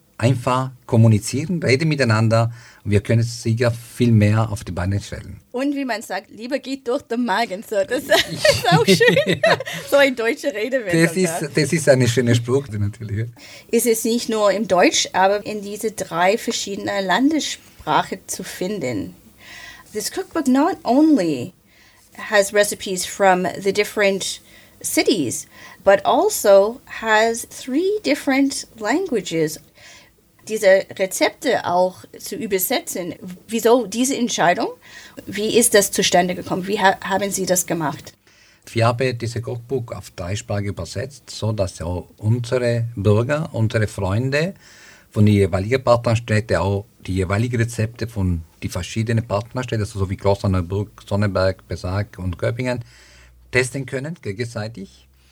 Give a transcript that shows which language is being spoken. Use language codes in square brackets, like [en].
[de] Einfach kommunizieren, reden miteinander und wir können sicher viel mehr auf die Beine stellen. Und wie man sagt, Liebe geht durch den Magen. So, das ist auch schön, ja. So eine deutsche Redewendung. Das ist eine schöne Spruch natürlich. Ist es nicht nur im Deutsch, aber in diese drei verschiedenen Landessprachen zu finden. [en] This cookbook not only has recipes from the different cities, but also has three different languages. [de] Diese Rezepte auch zu übersetzen, wieso diese Entscheidung? Wie ist das zustande gekommen? Wie haben Sie das gemacht? Wir haben dieses Cookbook auf drei Sprachen übersetzt, sodass auch unsere Bürger, unsere Freunde von den jeweiligen Partnerstädten auch die jeweiligen Rezepte von die verschiedenen Partnerstädte, also so wie Klosterneuburg, Sonneberg, Besag und Köpingen, testen können gegenseitig.